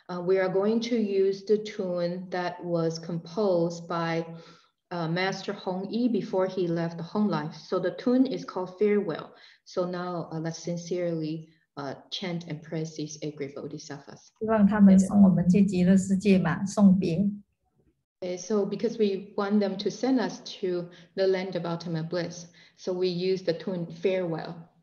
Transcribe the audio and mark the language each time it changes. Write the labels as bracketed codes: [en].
[en] We are going to use the tune that was composed by Master Hong Yi before he left the home life. So the tune is called Farewell. So now let's sincerely chant and praise these eight great bodhisattvas. [zh] 希望他们送我们去极乐世界嘛，送别。 [en] Okay, so because we want them to send us to the land of ultimate bliss, so we use the tune Farewell.